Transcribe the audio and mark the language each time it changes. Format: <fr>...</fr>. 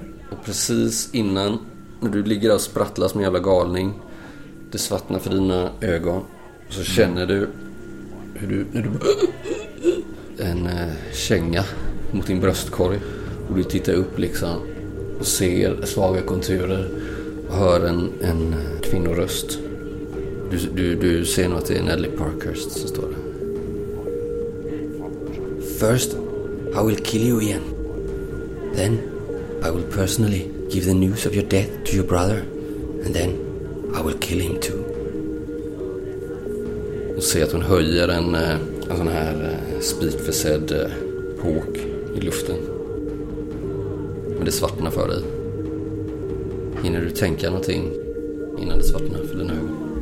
<sv>Och precis innan, när du ligger och sprattlar som en jävla galning, det svartnar för dina ögon, så känner du hur du, när du en känga mot din bröstkorg, och du tittar upp liksom och ser svaga konturer och hör en kvinnoröst. Du ser nog att det är Nelly Parkhurst som står där.</sv> <en>First, I will kill you again. Then, I will personally give the news of your death to your brother. And then, I will kill him too.</en> <sv>Och ser att hon höjer en sån här spikförsedd påk i luften. Men det svartnar för dig. Hinner du tänka någonting innan det svartnar för dina ögon?</sv>